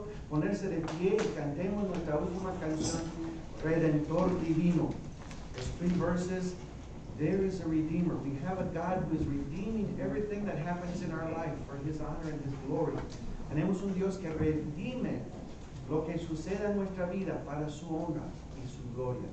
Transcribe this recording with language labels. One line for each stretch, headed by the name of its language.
Spanish: Ponerse de pie y cantemos nuestra última canción, Redentor Divino.
English: There's three verses. There is a Redeemer. We have a God who is redeeming everything that happens in our life for His honor and His glory.
Spanish: Tenemos un Dios que redime lo que sucede en nuestra vida para su honra y su gloria.